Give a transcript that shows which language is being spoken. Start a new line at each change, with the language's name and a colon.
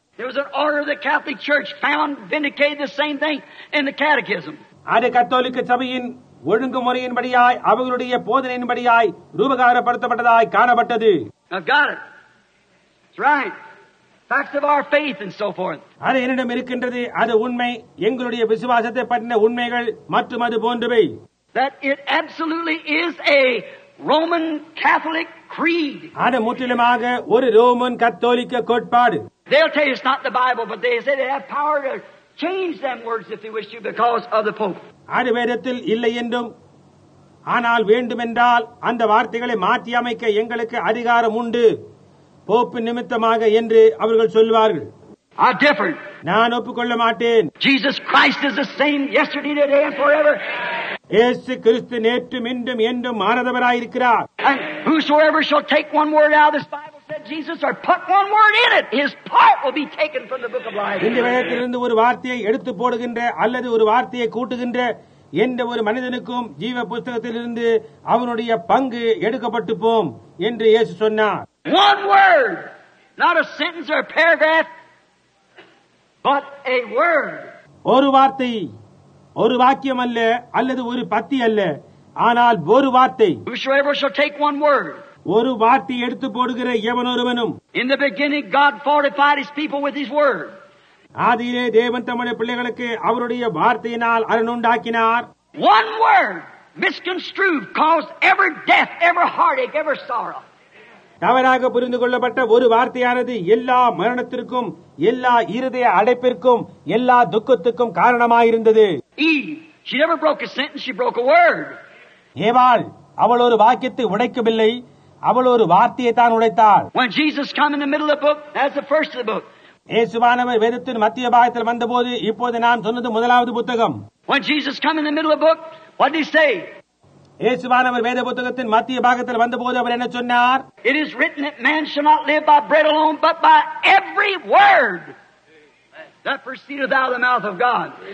English: There was an order of the Catholic Church found vindicated the same thing in the catechism.
Tamil: அது கத்தோலிக்க சபையின் ஒழுங்குமுறையின்படியாய் அவர்களுடைய போதனையின்படியாய் ரூபகாரப்படுத்தப்பட்டதாய் காணப்பட்டது.
English: I've got it. It's right. Facts of our faith and so forth.
Tamil: அது என்னிடம் இருக்கின்றது, அது உண்மை, எங்களுடைய விசுவாசத்தை பற்றின உண்மைகள் மற்றும் அது போன்றவை.
English: That it absolutely is a Roman Catholic creed.
Tamil: அது முற்றிலுமாக ஒரு ரோமன் கத்தோலிக்க கோட்பாடு.
English: They'll tell you it's not the Bible, but they say they have power to change them words if they wish to because of the Pope.
Tamil: அது வேதத்தில் இல்லை என்றும் ஆனால் வேண்டுமென்றால் அந்த வார்த்தைகளை மாற்றி அமைக்க எங்களுக்கு அதிகாரம் உண்டு போப்பு நிமித்தமாக என்று அவர்கள் சொல்வார்கள்.
English: I differ.
Tamil: நான் ஒப்புக்கொள்ள மாட்டேன்.
English: Jesus Christ is the same yesterday, today and forever.
Tamil: இயேசு கிறிஸ்து நேற்றும் இன்றும் என்றும் மாறாதவராய் இருக்கிறார்.
English: And whosoever shall take one word out of this Bible said Jesus or put one word in it, his part will be taken from the book of life.
Tamil: இந்த வேதத்திலிருந்து ஒரு வார்த்தையை எடுத்து போடுகின்ற அல்லது ஒரு வார்த்தையை கூட்டுகின்ற எந்த ஒரு மனிதனுக்கும் ஜீவ புத்தகத்திலிருந்து அவனுடைய பங்கு எடுக்கப்பட்டு போம் என்று இயேசு சொன்னார்.
English: One word, not a sentence or a paragraph, but a word.
Tamil: ஒரு வார்த்தை, ஒரு வாக்கியம் அல்ல, அல்லது ஒரு பத்தி அல்ல, ஆனால் ஒரு வார்த்தை.
English: Whosoever shall take one word,
Tamil: ஒரு வார்த்தை எடுத்து போடுகிற எவனொருவனும்.
English: In the beginning God fortified his people with his word.
Tamil: ஆதியிலே தேவன் தம்முடைய பிள்ளைகளுக்கு அவருடைய வார்த்தையினால் அரண் உண்டாக்கினார்.
English: One word misconstrued caused every death, every heartache, every sorrow.
Tamil: தவறாக புரிந்து கொள்ளப்பட்ட ஒரு வார்த்தையானது எல்லா மரணத்திற்கும், எல்லா இருதய அடைப்பிற்கும், எல்லா துக்கத்துக்கும் காரணமாயிருந்தது.
English: She never broke a sentence, she broke a word.
Tamil: ஏவாள் அவள் ஒரு வாக்கியத்தை உடைக்கவில்லை, அவள் ஒரு வார்த்தையை தான் உடைத்தாள்.
English: When Jesus came in the middle of the book, that's the first of the book.
Tamil: இயேசுவானவர் வேதத்தின் மத்திய பாகத்தில் வந்தபோது இப்போது நான் சொன்னது முதலாவது புத்தகம்.
English: When Jesus came in the middle of the book, what did he say?
Tamil: இயேசுவானவர் வேத புத்தகத்தின் மத்திய பாகத்தில் வந்தபோது அவர் என்ன சொன்னார்?
English: It is written that man shall not live by bread alone, but by every word that proceedeth out of the mouth of God.